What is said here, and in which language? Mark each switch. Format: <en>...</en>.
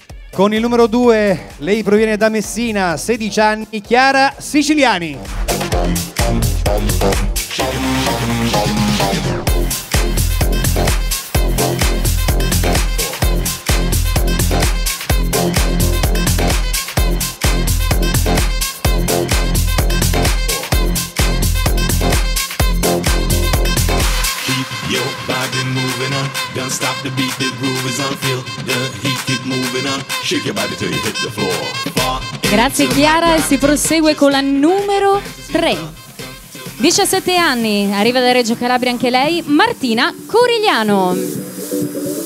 <it>Con il numero 2, lei proviene da Messina, 16 anni, Chiara Siciliani.</it> <en>Keep your body moving on, don't stop the beat, the groove is on, feel the heat, keep moving on, shake your body till you hit the floor.</en> <it>Grazie Chiara, e si prosegue con la numero 3. 17 anni, arriva da Reggio Calabria anche lei, Martina Corigliano.</it>